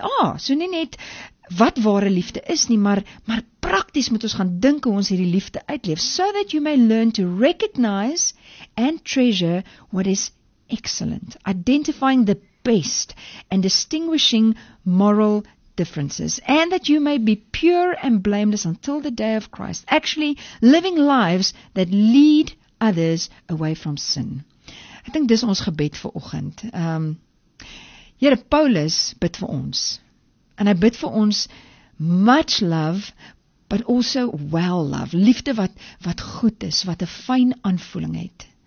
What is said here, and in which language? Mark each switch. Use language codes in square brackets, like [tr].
[af] Ah, so nie net wat ware liefde is nie, maar prakties moet ons gaan dink hoe ons hierdie liefde uitleef, [en] so that you may learn to recognize and treasure what is excellent, identifying the best and distinguishing moral differences, and that you may be pure and blameless until the day of Christ, actually living lives that lead others away from sin. [af] Ek dink dis ons gebed vir oggend. Here Paulus bid vir ons. En hy bid vir ons [en] much love, but also well love. [af] Liefde wat goed is, wat 'n fyn aanvoeling het.